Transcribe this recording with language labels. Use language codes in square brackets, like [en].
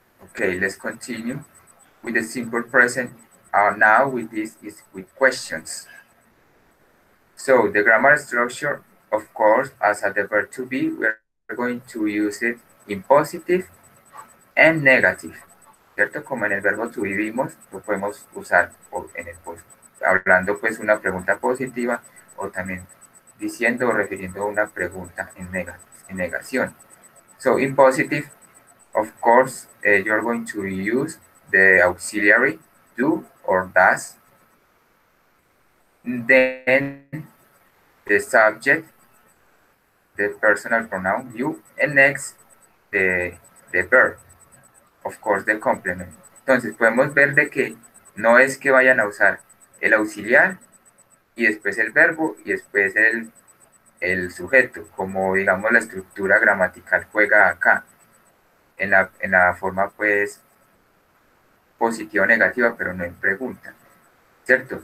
[en] Okay, let's continue with the simple present. Now with this is with questions. So, the grammar structure, of course, as a verb to be, we're going to use it in positive and negative. [es] ¿Cierto? Como en el verbo to be vimos, lo podemos usar en el post. Hablando, pues, una pregunta positiva o también diciendo o refiriendo una pregunta en negación. [en] So, in positive, of course, you're going to use the auxiliary do or does. Then, the subject, the personal pronoun, you, and next, the verb, of course, the complement. [es] Entonces, podemos ver de que no es que vayan a usar el auxiliar, y después el verbo, y después el sujeto, como, digamos, la estructura gramatical juega acá, en la forma, pues, positiva o negativa, pero no en pregunta, ¿cierto?